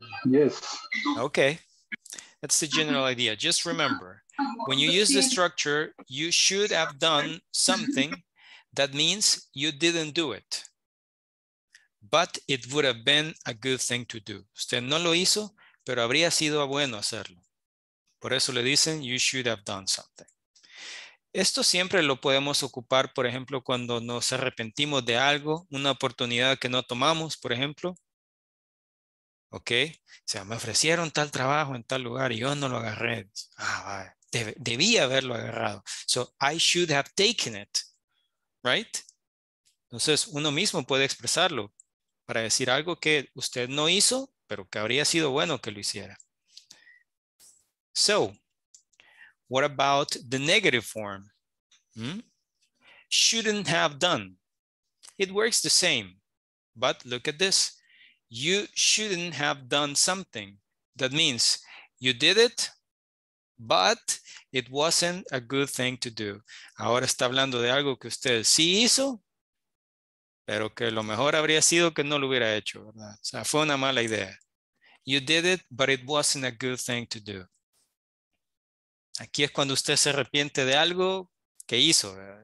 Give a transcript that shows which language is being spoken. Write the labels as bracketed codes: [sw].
[en] Yes. Okay. That's the general idea. Just remember, when you use the structure, you should have done something. That means you didn't do it, but it would have been a good thing to do. [es] Usted no lo hizo, pero habría sido bueno hacerlo. Por eso le dicen, [en] you should have done something. [es] Esto siempre lo podemos ocupar, por ejemplo, cuando nos arrepentimos de algo, una oportunidad que no tomamos, por ejemplo. ¿Ok? O sea, me ofrecieron tal trabajo en tal lugar y yo no lo agarré. Debí haberlo agarrado. [en] So, I should have taken it. ¿Right? [es] Entonces, uno mismo puede expresarlo para decir algo que usted no hizo, pero que habría sido bueno que lo hiciera. [en] So, what about the negative form? Shouldn't have done. It works the same, but look at this. You shouldn't have done something. That means you did it, but it wasn't a good thing to do. [es] Ahora está hablando de algo que usted sí hizo, pero que lo mejor habría sido que no lo hubiera hecho, ¿verdad? O sea, fue una mala idea. [en] You did it, but it wasn't a good thing to do. [es] Aquí es cuando usted se arrepiente de algo que hizo.